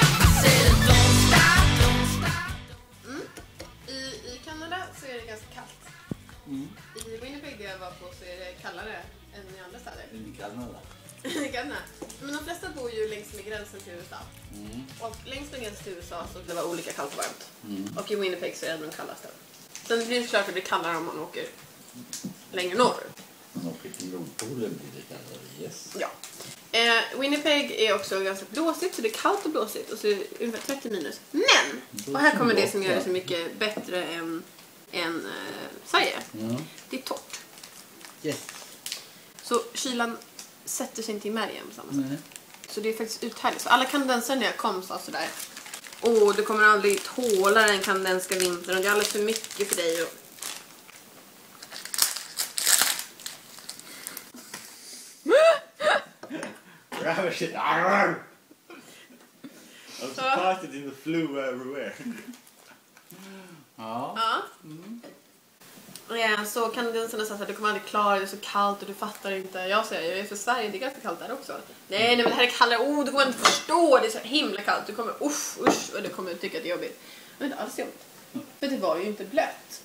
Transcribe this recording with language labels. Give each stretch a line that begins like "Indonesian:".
English: I said don't stop, don't stop.
Swedish: Mm. I Kanada så är det ganska kallt. Mm. I Winnipeg där jag var på så är det kallare än i andra städer. I Kanada. I Kanada. Men de flesta bor ju längs med gränsen till USA. Mm. Och längs med gränsen till USA så det var olika kallt och varmt. Mm. Och i Winnipeg så är det den kallaste. Sen blir det klart att det blir kallare om man åker längre norr. Man åker till Nordpolen blir det kallare, yes. Ja. Winnipeg är också ganska blåsigt, så det är kallt och blåsigt. Och så är det ungefär 30 minus. Men! Och här kommer det som gör det så mycket bättre än Sverige. Ja. Det är torrt.
English: Yes.
Swedish: Så kylan sätter sig inte i märgen på samma sätt. Nej. Så det är faktiskt uthärdigt. Så alla kanadensare när jag kom sa sådär. Åh, du kommer aldrig tåla den kanadenska vintern. Och det är alldeles för mycket för dig. Och...
English: Grabber shit. Arr! I'm surprised it didn't flew everywhere.
Swedish: Ja. Mm. Så kanadensarna sa att du kommer aldrig klara det, det är så kallt och du fattar inte. Jag säger, jag är för Sverige, det är ganska kallt där också. Nej, men det här är kallare. Oh, du kommer inte förstå, det är så himla kallt. Du kommer, usch, och du kommer tycka att det är jobbigt. Men det är alls jobbigt. För det var ju inte blött.